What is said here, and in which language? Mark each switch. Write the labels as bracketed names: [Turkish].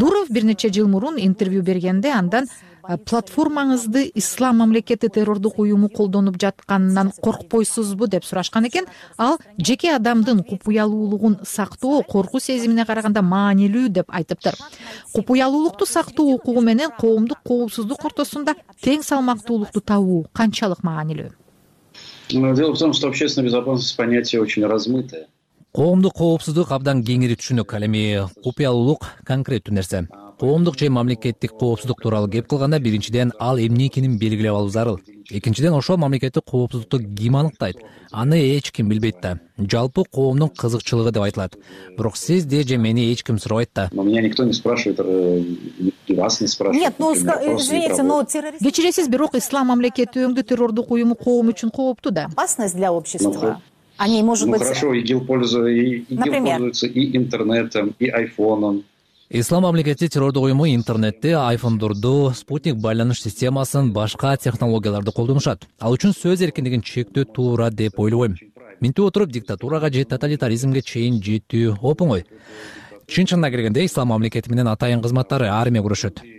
[Kyrgyz] Дуров бир нече жыл мурун интервью бергенде андан платформаңызды ислам мамлекети террордук уюму колдонуп жатканынан коркпойсузбу деп сурашкан экен. Ал жеке адамдын купуялуулугун сактоо коркуу сезимине караганда маанилүү деп айтыптыр. Купуялуулукту сактоо укугу менен коомдук коопсуздук ортосунда тең салмактуулукту табуу канчалык маанилүү? [Russian] Дело в том, что общественная безопасность понятие очень размытое. [Kyrgyz] Коомдук коопсуздук абдан кеңири түшүнүк. Ал эми купуялуулук конкреттүү нерсе. Коомдук же мамлекеттик коопсуздук тууралуу кеп кылганда, биринчиден ал эмне экенин белгилеп алуу зарыл. Экинчиден ошол мамлекеттик коопсуздукту ким аныктайт? Аны эч ким билбейт да. Жалпы коомдун кызыкчылыгы деп айтылат. Бирок сизди же мени эч ким сурабайт да. [Russian] Но меня никто не спрашивает, вас не спрашивают. Нет, ну извините, но террорист. [Kyrgyz] Кечиресиз, бирок ислам мамлекети өңдү террордук уюму коом үчүн кооптуу да. [Russian] Опасность для общества. Они, может быть, хорошо, ИГИЛ пользуется и интернетом, и айфоном. [Kyrgyz] Ислам мамлекети террордук уюму интернетти, айфондорду, спутник байланыш системасын, башка технологияларды колдонушат. Ал үчүн сөз эркиндигин чектөө туура деп ойлобойм. Минтип отуруп диктатурага же тоталитаризмге чейин жетүү опоңой. Чын чынына келгенде, ислам мамлекети менен атайын кызматтары армия күрөшөт.